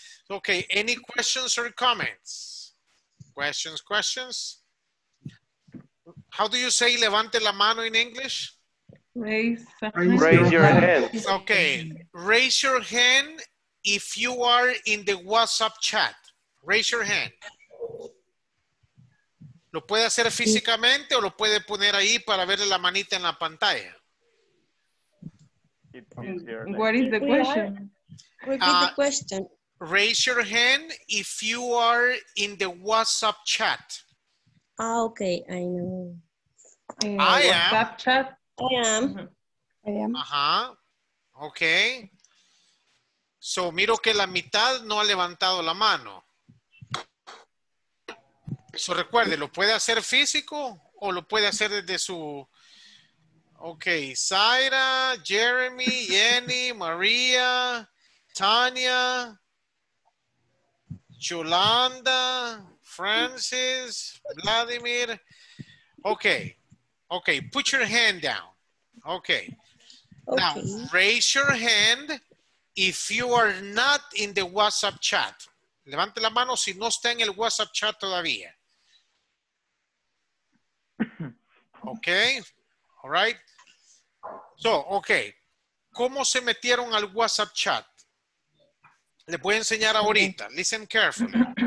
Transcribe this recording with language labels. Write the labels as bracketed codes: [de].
[en] Okay, any questions or comments? Questions? How do you say levante la mano in English? Raise your hand. Okay. Raise your hand if you are in the WhatsApp chat. Raise your hand. [es] ¿Lo puede hacer físicamente o lo puede poner ahí para verle la manita en la pantalla? [en] What is the question? Repeat the question. Raise your hand if you are in the WhatsApp chat. Ah, okay, I know. I am. I am. I am. [es] Ajá. Okay. So, miro que la mitad no ha levantado la mano. So, recuerde, ¿lo puede hacer físico o lo puede hacer desde su... [en] Okay, Zaira, Jeremy, Jenny, María, Tania, Yolanda, Francis, Vladimir. Okay, okay, put your hand down. Okay. Okay. Now, raise your hand if you are not in the WhatsApp chat. [es] Levante la mano si no está en el WhatsApp chat todavía. [en] Okay, all right. So, okay, [es] ¿cómo se metieron al WhatsApp chat? Les voy a enseñar ahorita. [en] Listen carefully.